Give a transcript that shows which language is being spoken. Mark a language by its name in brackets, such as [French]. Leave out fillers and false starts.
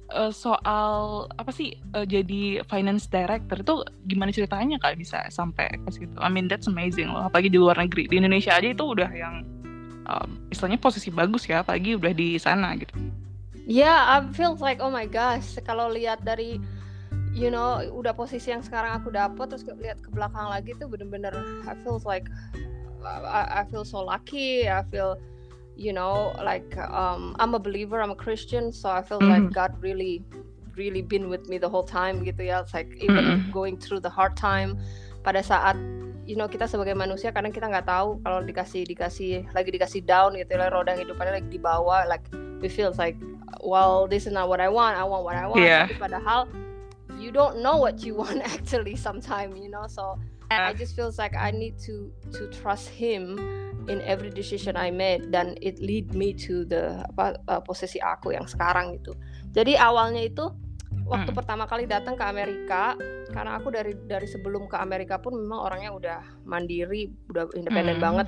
[Indonesian] Soal apa sih jadi finance director itu gimana ceritanya kak bisa sampai ke situ? [English] I mean that's amazing loh. [Indonesian] Apalagi di luar negeri, di Indonesia aja itu udah yang istilahnya posisi bagus ya, apalagi udah di sana gitu. [English] Yeah, I feel like oh my gosh, [Indonesian] kalau lihat dari [English] you know, [Indonesian] udah posisi yang sekarang aku dapat terus lihat ke belakang lagi tuh bener-bener [English] I feel like I feel so lucky. I feel you know, like I'm a believer, I'm a Christian, so I feel like God really really been with me the whole time gitu ya. It's like even going through the hard time [Indonesian] pada saat [English] you know [Indonesian] kita sebagai manusia kadang kita enggak tahu kalau dikasih lagi dikasih [English] down [Indonesian] gitu lah, roda hidupnya lagi di bawah, [English] like we feel like well this is not what I want yeah. [Indonesian] Tapi padahal [English] you don't know what you want actually sometimes, you know, so yeah. I just feel like I need to trust him in every decision I made dan it lead me to the [Indonesian] apa posisi aku yang sekarang gitu. Jadi awalnya itu waktu pertama kali datang ke Amerika, karena aku dari sebelum ke Amerika pun memang orangnya udah mandiri, udah independen banget.